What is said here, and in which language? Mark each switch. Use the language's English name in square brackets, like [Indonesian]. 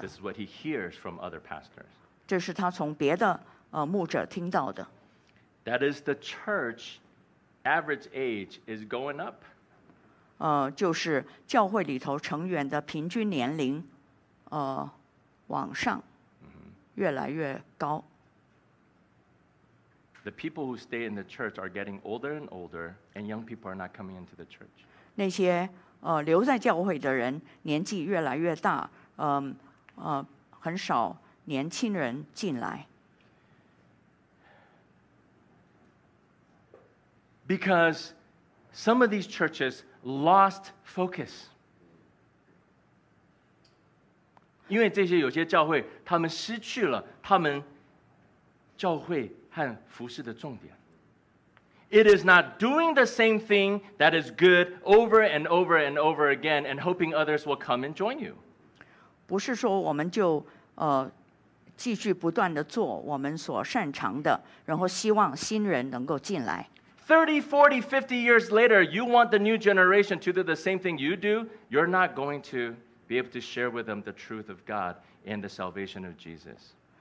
[English] This is what he hears from other pastors. [Chinese] 这是他从别的牧者听到的。 [English] That is the church average age is going up. [Chinese] 就是教会里头成员的平均年龄往上，越来越高。 [English] The people who stay in the church are getting older and older, and young people are not coming into the church. [Chinese] 那些留在教会的人年纪越来越大，很少年轻人进来。 [English] Because some of these churches lost focus. [Chinese] 因为这些有些教会，他们失去了他们教会。和服事的重点。 [English] It is not doing the same thing that is good over and over and over again and hoping others will come and join you. [Chinese] 不是说我们就继续不断地做我们所擅长的，然后希望新人能够进来。 [English] 30, 40, 50 years later, you want the new generation to do the same thing you do, you're not going to be able to share with them the truth of God and the salvation of Jesus.